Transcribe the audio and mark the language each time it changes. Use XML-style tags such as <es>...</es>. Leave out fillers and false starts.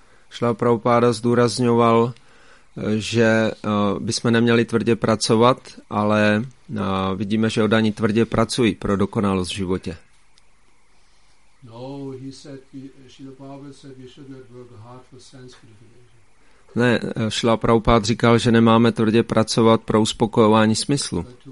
<cs>Šla Prabhupáda zdůrazňoval, že bychom neměli tvrdě pracovat, ale vidíme, že oddaní tvrdě pracují pro dokonalost v životě.</cs> <en>No, he said, Šla Prabhupáda said we should not work hard for sense gratification.</en> <cs>Ne, Šrila Prabhupád říkal, že nemáme tvrdě pracovat pro uspokojování smyslu.</cs>